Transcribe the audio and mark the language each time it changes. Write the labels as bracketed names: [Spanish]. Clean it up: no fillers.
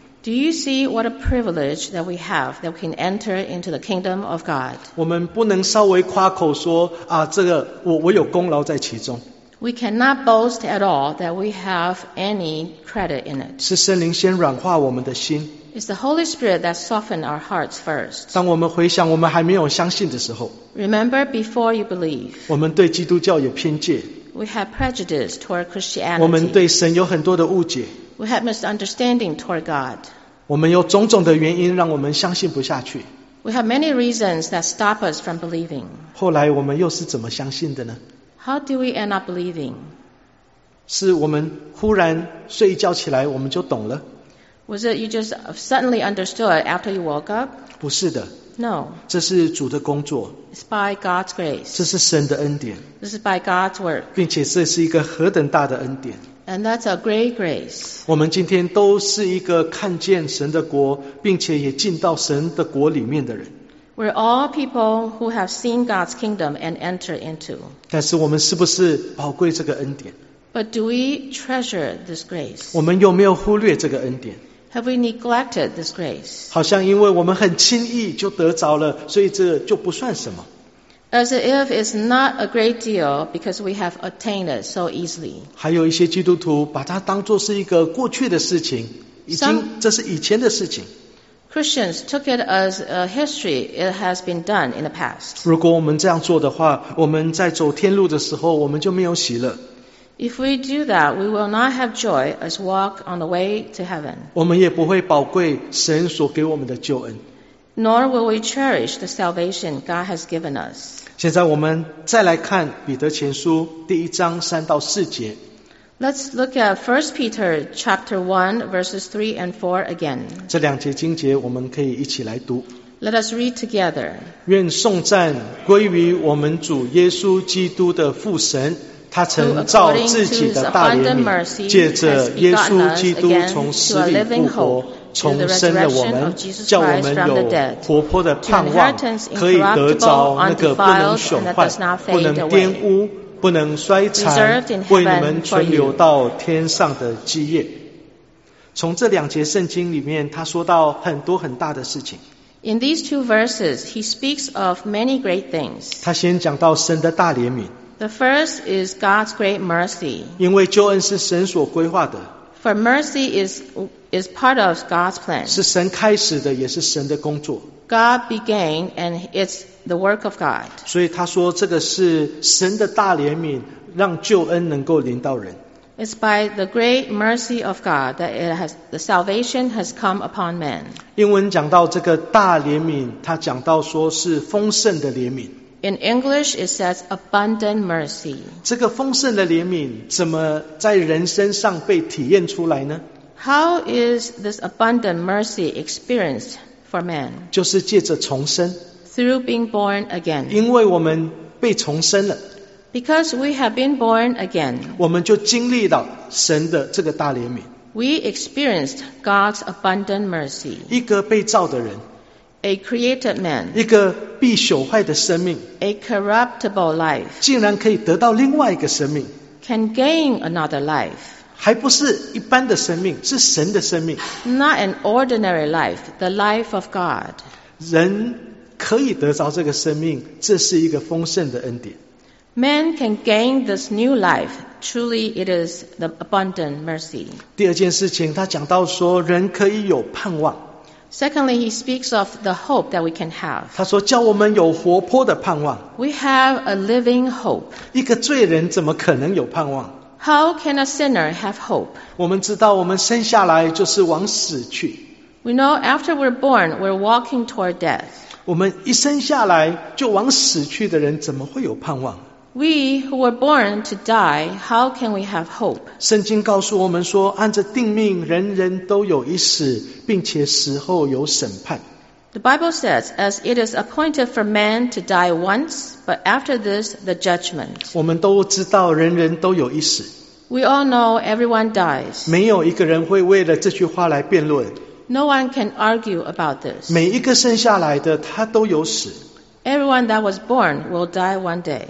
[English] Do you see what a privilege that we have that we can enter into the kingdom of God? [Chinese] 我们不能稍微夸口说啊，这个我有功劳在其中。 [English] We cannot boast at all that we have any credit in it. [Chinese] 是圣灵先软化我们的心。 [English] It's the Holy Spirit that softened our hearts first. [Chinese] 当我们回想我们还没有相信的时候 [English] Remember before you believe. [Chinese] 我们对基督教有偏见 [English] We have prejudice toward Christianity. [Chinese] 我们对神有很多的误解 [English] We have misunderstanding toward God. [Chinese] 我们有种种的原因让我们相信不下去 [English] We have many reasons that stop us from believing. [Chinese] 后来我们又是怎么相信的呢 [English] How do we end up believing? [Chinese] 是我们忽然睡一觉起来我们就懂了 [English] Was it you just suddenly understood after you woke up? [Chinese] 不是的。 [English] No. [Chinese] 这是主的工作。 [English] It's by God's grace. [Chinese] 这是神的恩典。 [English] This is by God's work. [Chinese] 并且这是一个何等大的恩典。 [English] And that's a great grace. [Chinese] 我们今天都是一个看见神的国，并且也进到神的国里面的人。 [English] We're all people who have seen God's kingdom and enter into. [Chinese] 但是我们是不是宝贵这个恩典？ [English] But do we treasure this grace? [Chinese] 我们有没有忽略这个恩典？ [English] Have we neglected this grace? [Chinese] 好像因为我们很轻易就得着了，所以这就不算什么。 [English] As if it's not a great deal because we have attained it so easily. [Chinese] 还有一些基督徒把它当作是一个过去的事情，已经这是以前的事情。 [English] Christians took it as a history. It has been done in the past. [Chinese] 如果我们这样做的话，我们在走天路的时候，我们就没有喜乐。 [English] If we do that, we will not have joy as walk on the way to heaven. [Chinese] 我们也不会宝贵神所给我们的救恩。 [English] Nor will we cherish the salvation God has given us. [Chinese] 现在我们再来看彼得前书第一章三到四节。 [English] Let's look at 1 Peter chapter 1 verses 3 and 4 again. [Chinese] 这两节经节我们可以一起来读。 [English] Let us read together. [Chinese] 愿颂赞归于我们主耶稣基督的父神。他曾照自己的大怜悯，借着耶稣基督从死里复活，重生了我们，叫我们有活泼的盼望，可以得着那个不能朽坏、不能玷污、不能衰残、为你们存留到天上的基业。从这两节圣经里面，他说到很多很大的事情。 [English] In these two verses, he speaks of many great things. [Chinese] 他先讲到神的大怜悯。 [English] The first is God's great mercy. [Chinese] 因为救恩是神所规划的。 [English] For mercy is part of God's plan. [Chinese] 是神开始的，也是神的工作。 [English] God began and it's the work of God. [Chinese] 所以他说这个是神的大怜悯，让救恩能够临到人。 [English] It's by the great mercy of God that it has, the salvation has come upon men. [Chinese] 英文讲到这个大怜悯，它讲到说是丰盛的怜悯。 [English] In English, it says abundant mercy. [Chinese] 这个丰盛的怜悯怎么在人身上被体验出来呢？ [English] How is this abundant mercy experienced for man? [Chinese] 就是借着重生。 [English] Through being born again. [Chinese] 因为我们被重生了。 [English] Because we have been born again, [Chinese] 我们就经历了神的这个大怜悯。 [English] We experienced God's abundant mercy. [Chinese] 一个被造的人， [English] a created man, [Chinese] 一个必朽坏的生命， [English] a corruptible life, [Chinese] 竟然可以得到另外一个生命， [English] can gain another life, [Chinese] 还不是一般的生命，是神的生命。 [English] Not an ordinary life, the life of God. [Chinese] 人可以得着这个生命，这是一个丰盛的恩典。 [English] Man can gain this new life. Truly, it is the abundant mercy. [Chinese] 第二件事情，他讲到说，人可以有盼望。 [English] Secondly, he speaks of the hope that we can have. [Chinese] 他说，叫我们有活泼的盼望。 [English] We have a living hope. [Chinese] 一个罪人怎么可能有盼望？ [English] How can a sinner have hope? [Chinese] 我们知道，我们生下来就是往死去。 [English] We know after we're born, we're walking toward death. [Chinese] 我们一生下来就往死去的人，怎么会有盼望？ [English] We who were born to die, how can we have hope? [Chinese] 圣经告诉我们说，按着定命，人人都有一死，并且死后有审判。 [English] The Bible says, as it is appointed for man to die once, but after this, the judgment. [Chinese] 我们都知道，人人都有一死。 [English] We all know everyone dies. [Chinese] 没有一个人会为了这句话来辩论。 [English] No one can argue about this. [Chinese] 每一个生下来的，他都有死。 [English] Everyone that was born will die one day.